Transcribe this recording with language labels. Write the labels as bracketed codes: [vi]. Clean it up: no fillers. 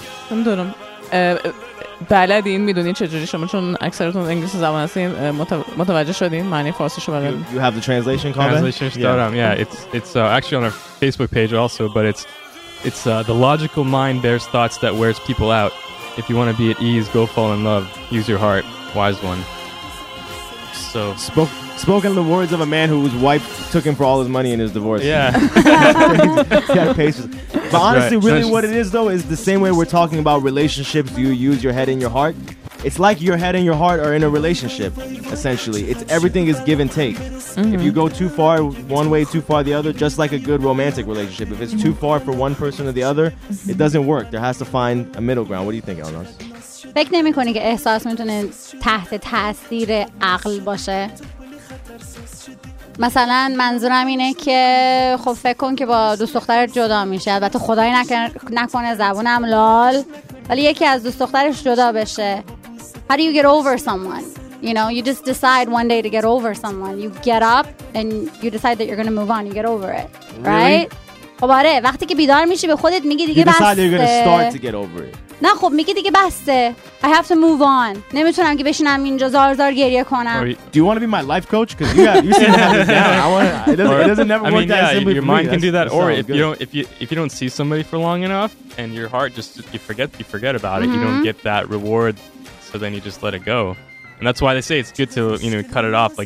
[fa] نمیدونم بلدین، میدونین چجوری شما چون اکثرتون انگلیسی زبان هستین متوجه شدین معنی فارسی شو بلدین. [en] You have the translation comment. [fa] Translations دارم. [en] Yeah, it's actually on our Facebook page also, but it's the logical mind bears thoughts that wears people out. If you want to be at ease, go fall in love. Use your heart, wise one. So spoken the words of a man whose wife took him for all his money in his divorce. Yeah. Got patience. But honestly, right. Really what it is though is the same way we're talking about relationships. You use your head and your heart. It's like your head and your heart are in a relationship, essentially. It's everything is give and take. Mm-hmm. If you go too far one way, too far the other, just like a good romantic relationship. If it's too far for one person or the other, it doesn't work. There has to find a middle ground. What do you think, Elnaz? [fa] فکر نمی کنی که احساس میتونه تحت تأثیر عقل باشه؟ مثلا منظورم اینه که خب فکر کن که با دوست دخترت جدا میشه، البته خدای نکنه زبونم لال، ولی یکی از دوست دخترش جدا بشه. [en] How do you get over someone? You know, you just decide one day to get over someone. You get up and you decide that you're going to move on. You get over it, right? Really? [fa] خب آره، وقتی که بیدار میشی به خودت میگی دیگه بسته. [en] You decide you're going to start to get over it. [fa] نه خب میگه دیگه بسته. [en] I have to move on. [fa] نمیتونم که بشینم اینجا زار زار گریه کنم. [en] Do you want to be my life coach? Because you seem to have this down. Your mind can do that. Or if you don't see somebody for long enough, and your heart just you forget about it. Mm-hmm. You don't get that reward, so then you just let it go. And that's why they say it's good to cut it off.